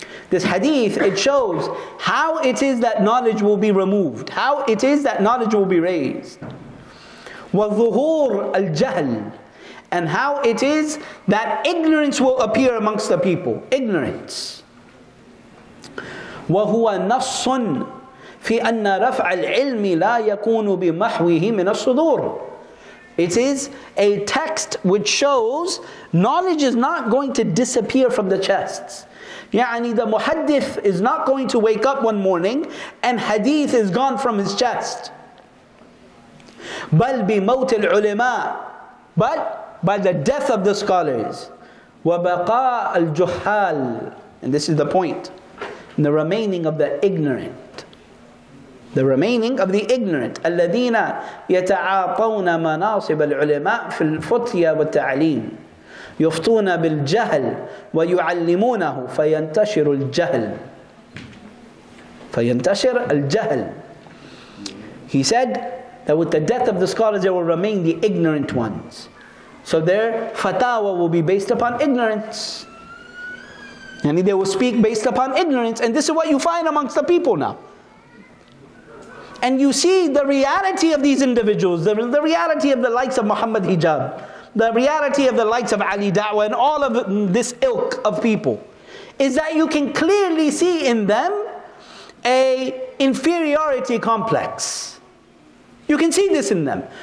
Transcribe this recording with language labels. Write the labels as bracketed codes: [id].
[en] This hadith, it shows how it is that knowledge will be removed, how it is that knowledge will be raised. [ar] وظهور الجهل, [en] and how it is that ignorance will appear amongst the people. Ignorance. [ar] وهو نص في أن رفع العلم لا يكون بمحوه من الصدور. [en] It is a text which shows knowledge is not going to disappear from the chests. يعني the muhaddith is not going to wake up one morning and hadith is gone from his chest. [ar] بل بموت العلماء, [en] but by the death of the scholars. [ar] وبقاء الجهال, [en] and this is the point, and the remaining of the ignorant. The remaining of the ignorant. [ar] الذين يتعاطون مناصب العلماء في الفتية والتعليم يفتون بالجهل ويعلمونه فينتشر الجهل فينتشر الجهل. [en] He said that with the death of the scholars there will remain the ignorant ones. So their fatawa will be based upon ignorance. And they will speak based upon ignorance. And this is what you find amongst the people now. And you see the reality of these individuals, the reality of the likes of Muhammad Hijab, the reality of the likes of Ali Da'wah and all of this ilk of people, is that you can clearly see in them a inferiority complex. You can see this in them.